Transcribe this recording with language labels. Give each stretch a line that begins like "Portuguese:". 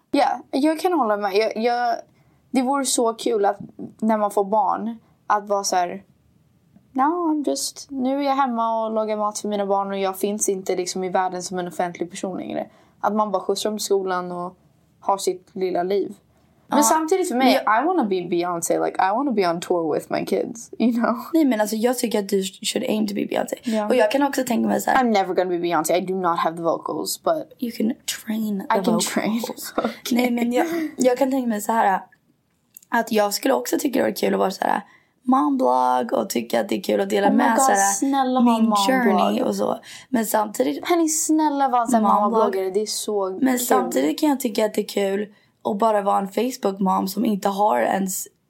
Swedish: Ja, yeah, jag kan hålla med. det vore så kul att när man får barn att vara så här, nu är jag hemma och lagar mat för mina barn och jag finns inte liksom i världen som en offentlig person längre. Att man bara skjutsar dem till skolan och har sitt lilla liv.
English: Men samtidigt för mig, I wanna be Beyonce, like I wanna be on tour with my kids, you know?
Swedish: Nej, men alltså jag tycker att du should aim to be Beyonce. Yeah. Och jag kan också tänka mig så här,
English: I'm never gonna be Beyonce, I do not have the vocals, but you can train the vocals. I can train. Okay.
Swedish: Nej, men jag kan tänka mig så här att jag skulle också tycka det var kul att vara så här momblog och tycka att det är kul att dela med sig snälla min journey och så. Men samtidigt, Penny, snälla vara en momblogger, det är så kul. Men samtidigt kan jag tycka att det är kul och bara vara en Facebook-mom som inte har ens...